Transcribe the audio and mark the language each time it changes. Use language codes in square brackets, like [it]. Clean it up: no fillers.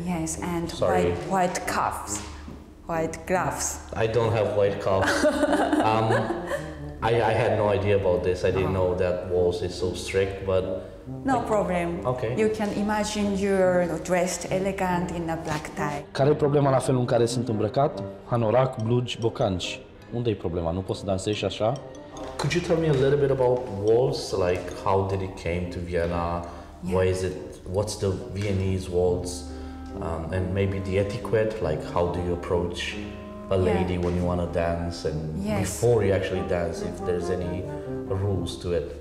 [en] Yes, and white cuffs, white gloves. I don't have white cuffs. I had no idea about this. I didn't know that waltz is so strict, but... No problem. Okay. You can imagine you're dressed elegant in a black tie. [ro] Care e problema la felul în care sunt îmbrăcat? Anorac, blugi, bocanci. Unde e problema? Nu poți să dansezi așa? [en] Could you tell me a little bit about waltz? Like, how did it came to Vienna? Yeah. Why is it? What's the Viennese waltz? And maybe the etiquette, like how do you approach a lady when you want to dance, and before you actually dance, if there's any rules to it?